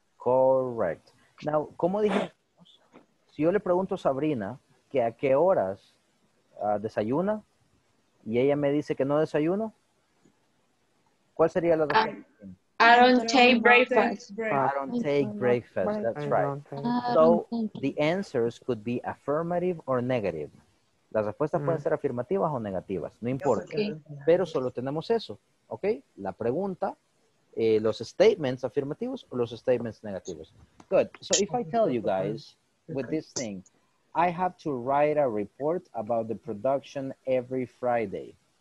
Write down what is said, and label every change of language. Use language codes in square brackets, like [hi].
[en] Correct. Now, [es] ¿cómo dijimos? Si yo le pregunto a Sabrina que a qué horas desayuna y ella me dice que no desayuno, ¿cuál sería la respuesta? [en] I don't take breakfast. That's right. So, the answers could be affirmative or negative. [es] Las respuestas pueden ser afirmativas o negativas, no importa. Okay. Pero solo tenemos eso. ¿Ok? La pregunta, los statements afirmativos o los statements negativos. [en] Good. So if I tell you guys with this thing, I have to write a report about the production every Friday.